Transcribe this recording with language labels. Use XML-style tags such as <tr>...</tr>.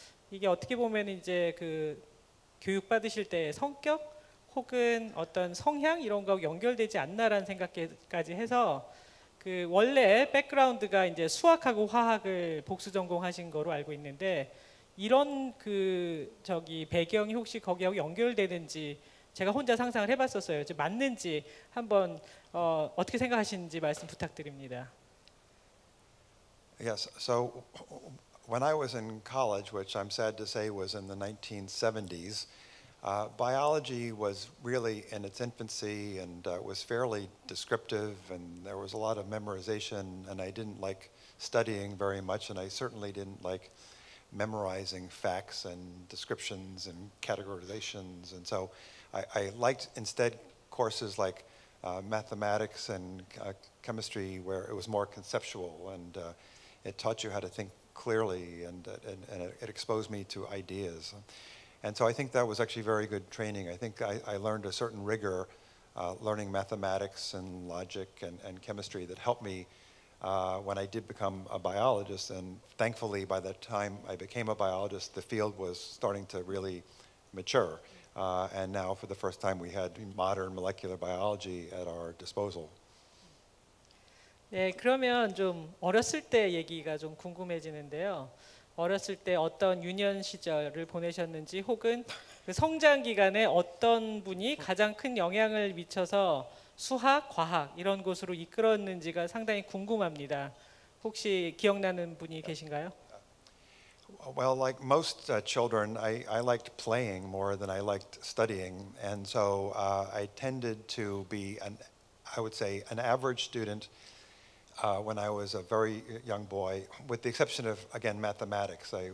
<ko>이게 어떻게 보면 이제 그 교육 받으실 때 성격 혹은 어떤 성향 이런 거 연결되지 않나라는 생각까지 해서 그 원래 백그라운드가 이제 수학하고 화학을 복수 전공하신 거로 알고 있는데 이런 그 저기 배경이 혹시 거기하고 연결되는지 제가 혼자 상상을 해봤었어요. 이제 맞는지 한번 어떻게 생각하시는지 말씀 부탁드립니다.</ko> <en>Yes, so when I was in college, which I'm sad to say was in the 1970s, biology was really in its infancy and was fairly descriptive and there was a lot of memorization and I didn't like studying very much and I certainly didn't like memorizing facts and descriptions and categorizations. And so I liked instead courses like mathematics and chemistry where it was more conceptual and it taught you how to think clearly and it exposed me to ideas. And so I think that was actually very good training. I think I learned a certain rigor learning mathematics and logic and chemistry that helped me when I did become a biologist. And thankfully, by the time I became a biologist, the field was starting to really mature. And now for the first time, we had modern molecular biology at our disposal.</en> <ko>네, 그러면 좀 어렸을 때 얘기가 좀 궁금해지는데요. 어렸을 때 어떤 유년 시절을 보내셨는지 혹은 그 성장 기간에 어떤 분이 가장 큰 영향을 미쳐서 수학, 과학 이런 곳으로 이끌었는지가 상당히 궁금합니다. 혹시 기억나는 분이 계신가요?</ko> <en>Well, like most children, I liked playing more than I liked studying. And so I tended to be, I would say, an average student when I was a very young boy, with the exception of, again, mathematics.</en>